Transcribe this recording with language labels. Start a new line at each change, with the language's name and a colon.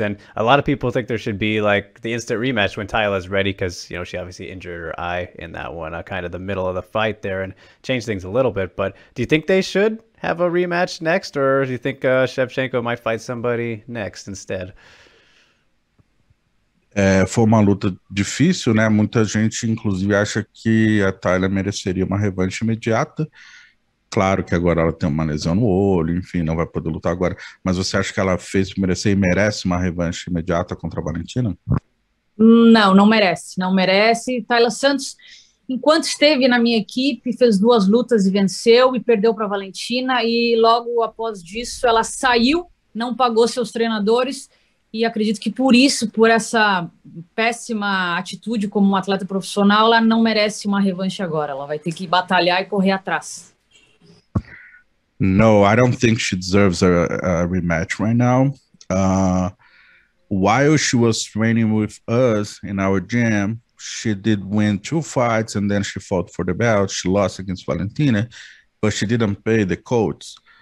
English: And a lot of people think there should be like the instant rematch when Taila's ready, because, you know, she obviously injured her eye in that one, kind of the middle of the fight there, and changed things a little bit. But do you think they should have a rematch next, or do you think Shevchenko might fight somebody next instead?
Portuguese: Foi uma luta difícil, né? Muita gente, inclusive, acha que a Taila mereceria uma revanche imediata. Claro que agora ela tem uma lesão no olho, enfim, não vai poder lutar agora. Mas você acha que ela fez merecer e merece uma revanche imediata contra a Valentina? Não merece. Taila Santos, enquanto esteve na minha equipe, fez 2 lutas e venceu e perdeu para a Valentina. E logo após disso, ela saiu, não pagou seus treinadores. E acredito que por isso, por essa péssima atitude como um atleta profissional, ela não merece uma revanche agora. Ela vai ter que batalhar e correr atrás.
English: No, I don't think she deserves a rematch right now. While she was training with us in our gym, she did win 2 fights, and then she fought for the belt. She lost against Valentina, but she didn't pay the coach.